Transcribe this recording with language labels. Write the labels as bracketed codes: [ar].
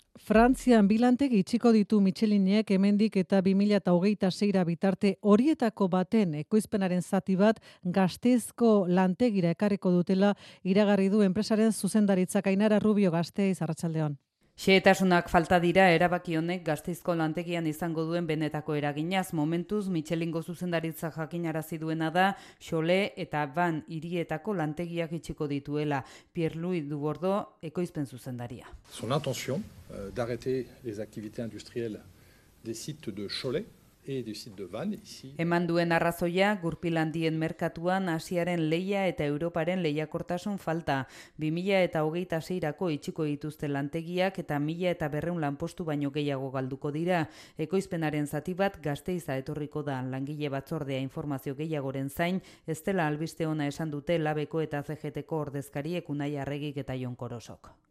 [eu] Frantzian bilantegi itxiko ditu Michelinek hemendik eta 2026 bitarte, horietako baten ekoizpenaren zati bat Gasteizko lantegira ekarriko dutela iragarri du enpresaren zuzendaritzak Ainara Rubio Gasteiz Arratsaldeon. Xehetasunak falta dira erabaki honek Gasteizko lantegian izango duen benetako eraginaz. Momentuz Michelingo zuzendaritza jakinarazi duena da Xole eta Van hirietako lantegiak itxiko dituela. Pierre-Louis Dubordo ekoizpen zuzendaria. [fr] Son intention d'arrêter les activités industrielles des sites de Cholet et du site de Van ici. [eu] Eman duen arrazoia gurpilandien merkatuan Asiaren leia eta Europaren leiakortasun falta. 2026 itxiko dituzte lantegiak eta 1200 lanpostu baino gehiago galduko dira. Ekoizpenaren zati bat Gasteiza etorriko da langile batzordea informazio gehiagoren zain, ez dela albiste ona esan dute Labeko eta CGTko ordezkariek Unai Arregik eta Jon Korosok.